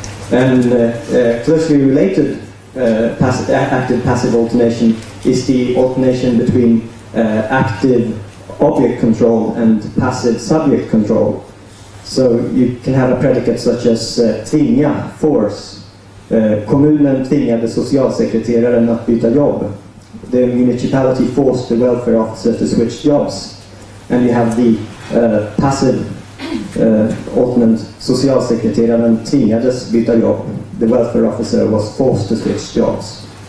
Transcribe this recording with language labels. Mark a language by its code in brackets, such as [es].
[en] And closely related active passive alternation is the alternation between active object control and passive subject control. So you can have a predicate such as tvinga, force. [sv] Kommunen tvingade socialsekreteraren att byta jobb. [en] The municipality forced the welfare officer to switch jobs. And you have the passive alternate [sv] Socialsekreteraren tvingades byta jobb. [en] The welfare officer was forced to switch jobs.